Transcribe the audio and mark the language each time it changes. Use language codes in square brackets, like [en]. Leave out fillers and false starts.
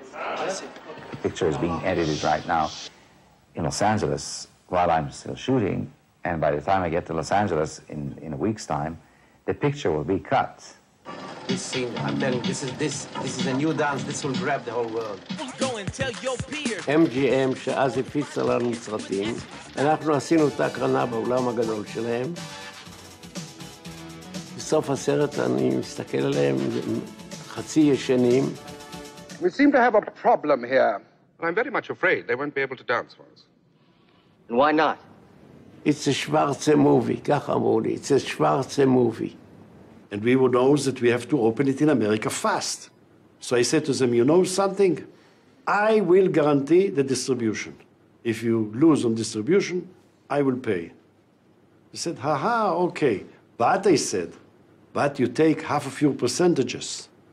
[en] The picture is being edited right now in Los Angeles while I'm still shooting, and by the time I get to Los Angeles in a week's time, the picture will be cut. This scene, I'm telling you, this is a new dance. This will grab the whole world. Go and tell your peers. [he] MGM, שאז הפיצה לנו סרטים, אנחנו עשינו את הקרנה באולם הגדול שלהם. בסוף הסרט אני מסתכל עליהם, חצי ישנים. [en] We seem to have a problem here. But I'm very much afraid they won't be able to dance for us. And why not? It's a Schwarze movie, [he] כך אמרו לי. [en] It's a Schwarze movie. And we would know that we have to open it in America fast. So I said to them, you know something? I will guarantee the distribution. If you lose on distribution, I will pay. They said, ha-ha, okay. But I said, but you take half of your percentages.